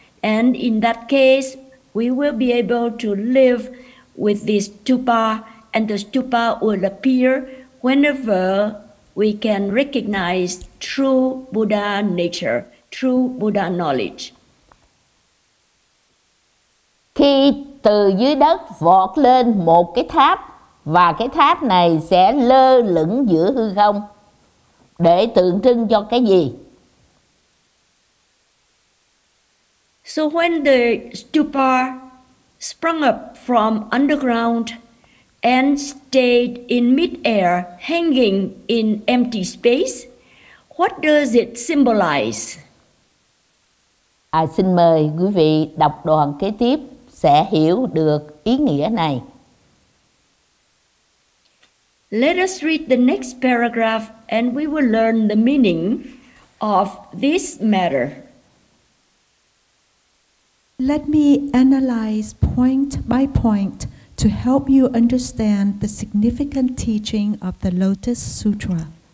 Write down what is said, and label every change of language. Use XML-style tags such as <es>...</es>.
<en>And in that case, we will be able to live with this stupa, and the stupa will appear whenever we can recognize true Buddha nature, true Buddha knowledge.</en> <vi>Khi từ dưới đất vọt lên một cái tháp, và cái tháp này sẽ lơ lửng giữa hư không, để tượng trưng cho cái gì?</vi> <en>So when the stupa sprung up from underground and stayed in mid-air, hanging in empty space, what does it symbolize?</en> <vi>Xin mời quý vị đọc đoạn kế tiếp sẽ hiểu được ý nghĩa này.</vi> <en>Let us read the next paragraph and we will learn the meaning of this matter. Let me analyze point by point to help you understand the significant teaching of the Lotus Sutra.</en>